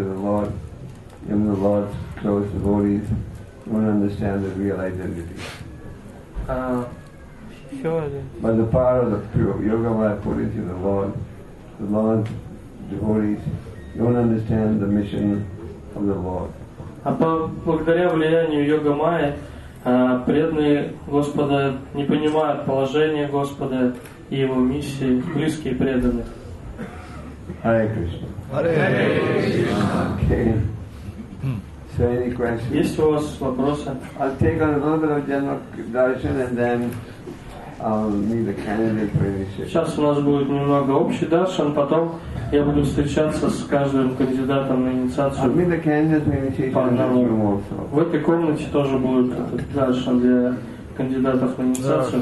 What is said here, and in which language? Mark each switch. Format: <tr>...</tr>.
<en>Even the Lord's close devotees don't understand the real identity. By the power of the pure yoga maya purity of the Lord's devotees don't understand the mission of the Lord.</en> <ru>А благодаря влиянию йога майи преданные Господа не понимают положение Господа и его миссии, близкие преданных.</ru> <sa>Hare Krishna. Hare Krishna.</sa> <en>Okay. So any questions?</en> <ru>Есть у вас вопросы?</ru> <en>I'll take on a little bit of general darshan and then I'll meet the candidate for initiation.</en> <ru>Сейчас у нас будет немного общий даршан, потом я буду встречаться с каждым кандидатом на инициацию.</ru> <en>I'll meet the candidate for initiation in this room also.</en> <ru>В этой комнате тоже будет даршан для кандидатов на инициацию.</ru>